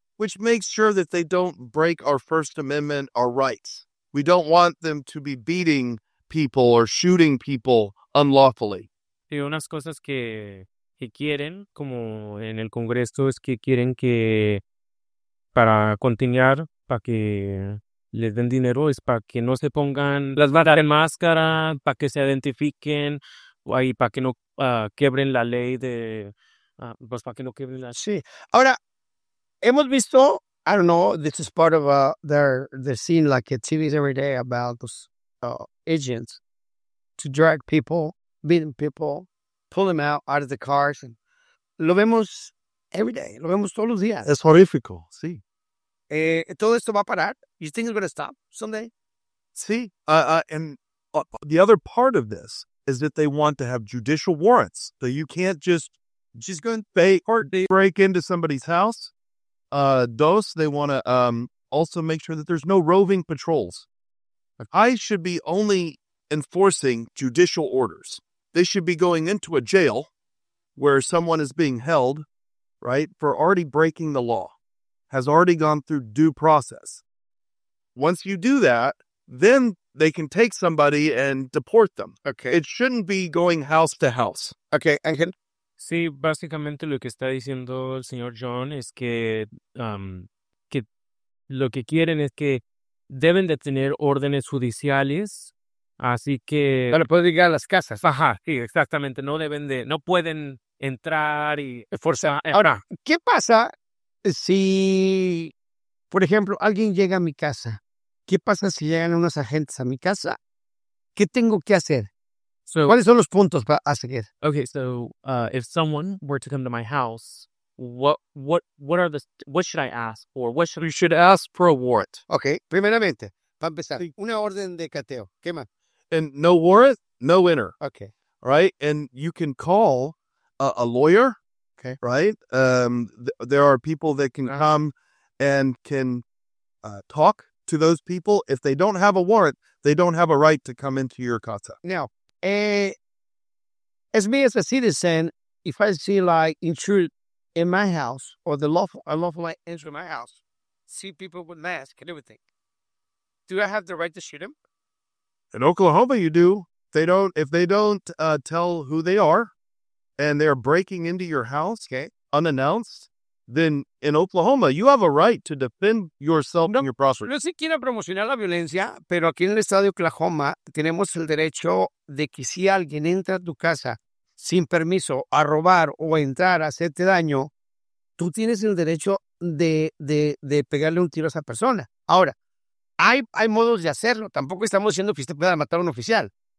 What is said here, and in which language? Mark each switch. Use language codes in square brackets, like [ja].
[en] Which makes sure that they don't break our First Amendment, our rights. We don't want them to be beating people or shooting people unlawfully. [es] Sí, unas cosas que quieren, como en el Congreso, es que quieren que para continuar, para que les den dinero, es para que no se pongan las barras en máscara, para que se identifiquen, y para que no quebren la ley de... pues para que no quebren la... Sí, ahora... Hemos visto, [en] I don't know, this is part of their scene, like at TVs every day about those agents to drag people, beating people, pull them out of the cars. And [es] lo vemos [en] every day. [es] Lo vemos todos los días. Es horrifico, sí. ¿Todo esto va a parar? [en] You think it's going to stop someday? [es] Sí. [en] The other part of this is that they want to have judicial warrants. So you can't just she's going break into somebody's house. They want to also make sure that there's no roving patrols. I should be only enforcing judicial orders. They should be going into a jail where someone is being held, right, for already breaking the law, has already gone through due process. Once you do that, then they can take somebody and deport them. Okay. It shouldn't be going house to house. Okay, Angel. [es] Sí, básicamente lo que está diciendo el señor John es que lo que quieren es que deben de tener órdenes judiciales, así que... Para poder llegar a las casas. Ajá, sí, exactamente. No pueden entrar y... Forzar. Ahora, ¿qué pasa si, por ejemplo, alguien llega a mi casa? ¿Qué pasa si llegan unos agentes a mi casa? ¿Qué tengo que hacer? [en] So, [es] ¿cuáles son los puntos a seguir? [en] Okay, so if someone were to come to my house, what should I ask for? You should ask for a warrant. [es] Okay, primeramente, para empezar, sí. Una orden de cateo. ¿Qué más? [en] And no warrant, no enter. Okay. All right, and you can call a lawyer. Okay. Right? There are people that can come and can talk to those people. If they don't have a warrant, they don't have a right to come into your casa. Now, as me as a citizen, if I see like intrude in my house or the unlawful enter my house, see people with masks and everything, do I have the right to shoot him? In Oklahoma, you do. If they don't tell who they are, and they're breaking into your house unannounced, then in Oklahoma, you have a right to defend yourself and your property. [es] No se quiere promocionar la violencia, pero aquí en el estado de Oklahoma tenemos el derecho de que si alguien entra a tu casa sin permiso a robar o a entrar a hacerte daño, tú tienes el derecho de pegarle un tiro a esa persona. Ahora, hay modos de hacerlo. Tampoco estamos diciendo que usted pueda matar a un oficial.